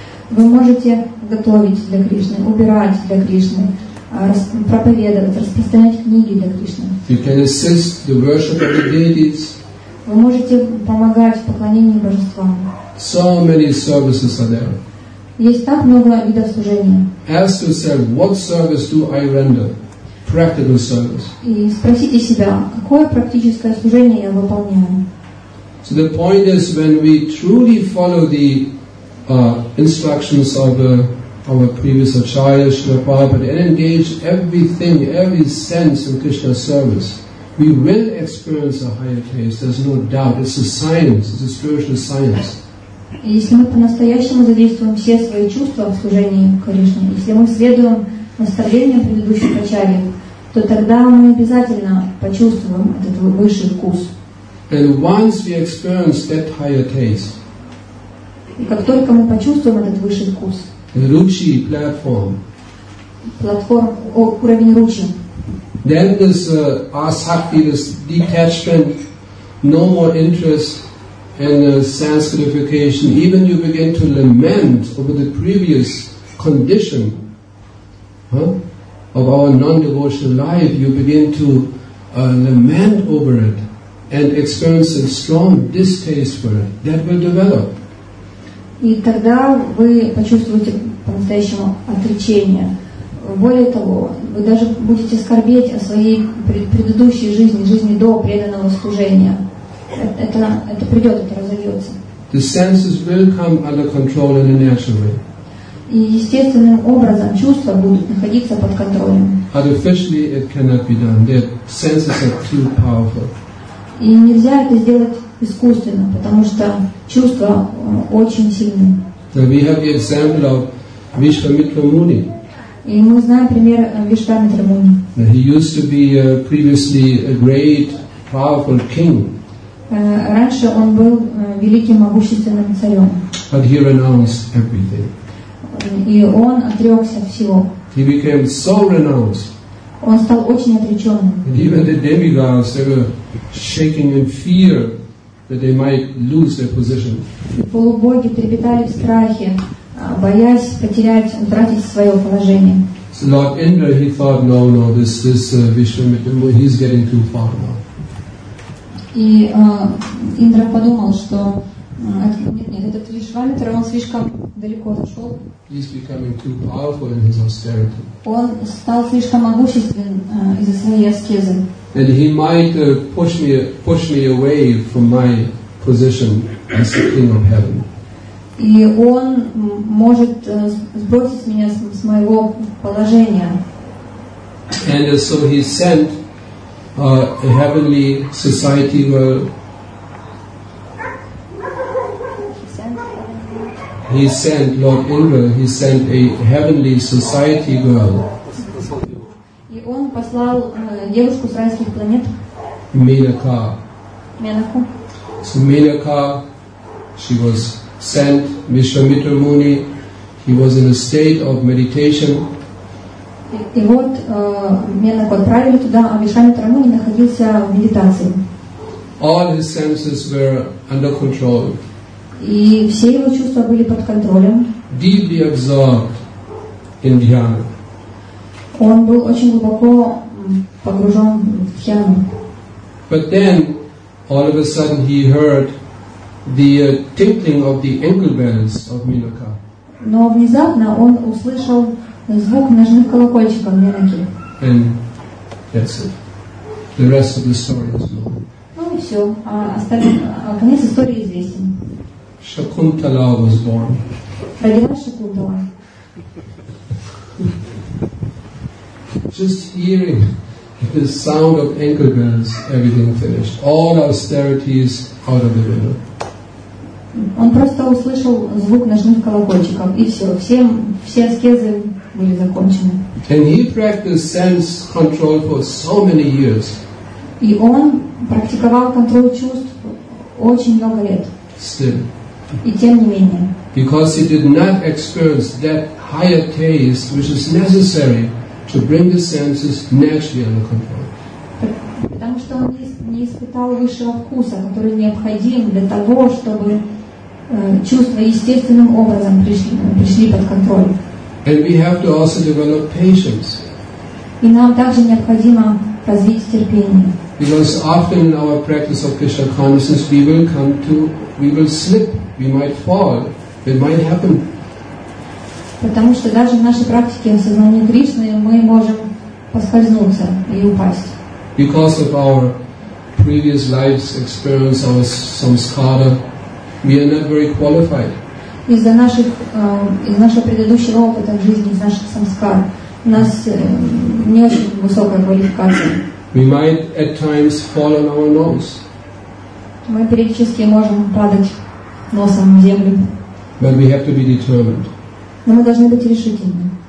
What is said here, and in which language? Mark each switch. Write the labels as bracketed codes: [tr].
[ru] Вы можете готовить для Кришны, убирать для Кришны. Проповедовать, распространять книги для Кришны. [en] You can assist the worship of the deities. [ru] Вы можете помогать в поклонении божествам. [en] So many services are there. [ru] Есть так много видов служения. [en] Ask yourself, what service do I render? Practical service. [ru] И спросите себя, какое практическое служение я выполняю? [en] So the point is, when we truly follow the instructions of our previous acharya, Srila Prabhupada, and engage everything, every sense in Krishna's service, we will experience a higher taste, there's no doubt. It's a science, it's a spiritual science. [ru] Если мы по-настоящему задействуем все свои чувства в служении Кришне, если мы следуем наставлениям предыдущих ачарьев, то тогда мы обязательно почувствуем этот высший вкус. [en] And once we experience that higher taste, [ru] и как только мы почувствуем этот высший вкус, [en] Ruchi platform. [ru] платформ, уровень ручи. [en] Then this asakti, this detachment, no more interest in sense gratification. Even you begin to lament over the previous condition of our non-devotional life, you begin to lament over it and experience a strong distaste for it. That will develop. [ru] И тогда вы почувствуете по-настоящему отречение. Более того, вы даже будете скорбеть о своей предыдущей жизни, жизни до преданного служения. Это придет, это разовьется. [en] The senses will come under control in a natural way. [ru] И естественным образом чувства будут находиться под контролем. [en] Artificially it cannot be done. The senses are too powerful. [ru] И нельзя это сделать искусственно, потому что чувства очень сильны. [en] So we have the example of Vishvamitra Muni. [ru] И мы знаем пример Вишвамитра Муни. [en] He used to be previously a great, powerful king. [ru] Раньше он был великим, могущественным царем. [en] But he renounced everything. [ru] И он отрекся всего. [en] He became so renounced. [ru] Он стал очень отреченным. [en] Even the demigods, they were shaking in fear that they might lose their position. [ru] И полубоги трепетали в страхе, боясь утратить свое положение. [en] So Lord Indra, he thought, no, this Vishwamitra, he's getting too far now. [ru] И Индра подумал, что этот Вишвамитра, он слишком далеко зашел. [en] He's becoming too powerful in his austerity. [ru] Он стал слишком могущественным из-за своей аскезы. [en] And he might push me away from my position as the king of heaven. [ru] И он может сбросить меня с моего положения. [en] And so he sent a heavenly society where he sent Lord Indra, he sent a heavenly society girl. [ru] И он послал девушку с райских планет. Менака. Менаку. [en] So Менака, she was sent Vishvamitra Muni. He was in a state of meditation. [ru] И вот Менаку отправили туда, а Вишвамитра Муни находился в медитации. [en] All his senses were under control. [ru] И все его чувства были под контролем. [en] Deeply absorbed in dhyana. [ru] Он был очень глубоко погружен в дхьяну. [en] But then, all of a sudden, he heard the tinkling of the ankle bells of Menaka. [ru] Но внезапно он услышал звук ножных колокольчиков Менаки. [en] And that's it. The rest of the story is known. [ru] Ну и все. А конец истории известен. [en] Шакунтала was born. [ru] Родила Шакунтала. [en] Just hearing the sound of ankle bells, everything finished. All austerities out of the window. [ru] Он просто услышал звук ножных колокольчиков и все. Все аскезы были закончены. [en] And he practiced sense control for so many years. [ru] И он практиковал контроль чувств очень много лет. [en] Still. [ru] И тем не менее. [en] Because he did not experience that higher taste which is necessary to bring the senses naturally under control. [ru] Потому что он не испытал высшего вкуса, который необходим для того, чтобы чувства естественным образом пришли под контроль. [en] And we have to also develop patience. [ru] И нам также необходимо развить терпение. [en] Because often in our practice of Krishna consciousness we will slip. We might fall. It might happen. [ru] Потому что даже в нашей практике осознания Кришны мы можем поскользнуться и упасть. [en] Because of our previous life's experience, our samskara, we are not very qualified. [ru] Из-за нашего предыдущего опыта в жизни, из наших самскар, у нас не очень высокая квалификация. [en] We might at times fall on our nose. [ru] Мы периодически можем падать носом в землю. [en] But we have to be determined. [ru] Но мы должны быть решительными.